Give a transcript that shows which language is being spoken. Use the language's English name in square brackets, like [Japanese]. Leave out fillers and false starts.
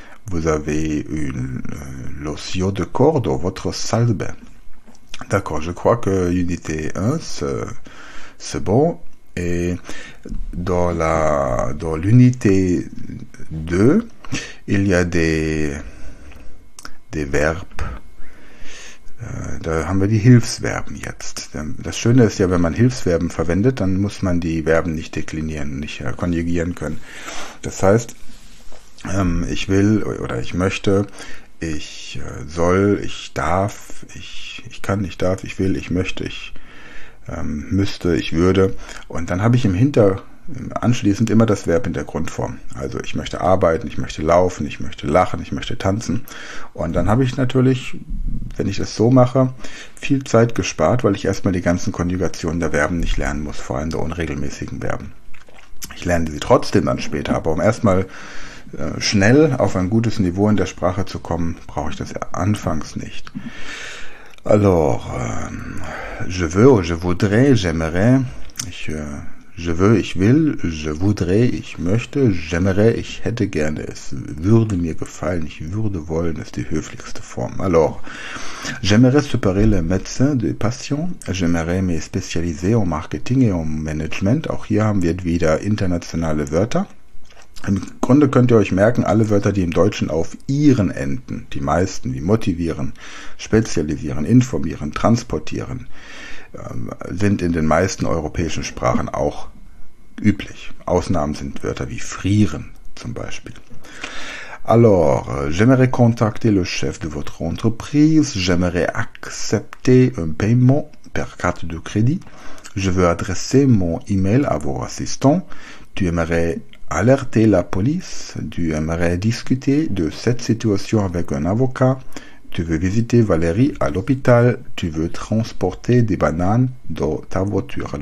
[French] Vous avez une lotion de corps dans votre salle de bain. D'accord, je crois que unité 1, c'est bon. Et dans l'unité 2, il y a des verbes. [German] Da haben wir die Hilfsverben jetzt. Das Schöne ist ja, wenn man Hilfsverben verwendet, dann muss man die Verben nicht deklinieren, nicht konjugieren können. Das heißt, ich will oder ich möchte, ich soll, ich darf, ich kann, ich darf, ich will, ich möchte, ich müsste, ich würde. Und dann habe ich anschließend immer das Verb in der Grundform. Also ich möchte arbeiten, ich möchte laufen, ich möchte lachen, ich möchte tanzen. Und dann habe ich natürlich, wenn ich das so mache, viel Zeit gespart, weil ich erstmal die ganzen Konjugationen der Verben nicht lernen muss, vor allem der unregelmäßigen Verben. Ich lerne sie trotzdem dann später, aber um erstmal schnell auf ein gutes Niveau in der Sprache zu kommen, brauche ich das ja anfangs nicht. [French] Alors, je veux, je voudrais, j'aimerais, je veux, [German] ich will, [French] je voudrais, [German] ich möchte, [French] j'aimerais, [German] ich hätte gerne, es würde mir gefallen, ich würde wollen, ist die höflichste Form. [French] Alors, j'aimerais séparer le médecin de patient, j'aimerais me spécialiser en marketing et en management. [German] Auch hier haben wir wieder internationale Wörter. Im Grunde könnt ihr euch merken, alle Wörter, die im Deutschen auf ihren enden, die meisten, wie motivieren, spezialisieren, informieren, transportieren, sind in den meisten europäischen Sprachen auch üblich. Ausnahmen sind Wörter wie frieren zum Beispiel. [French] Alors, j'aimerais contacter le chef de votre entreprise, j'aimerais accepter un paiement per carte de crédit, je veux adresser mon email à vos assistants, tu aimerais alerter la police, tu aimerais discuter de cette situation avec un avocat, tu veux visiter Valérie à l'hôpital, tu veux transporter des bananes dans ta voiture.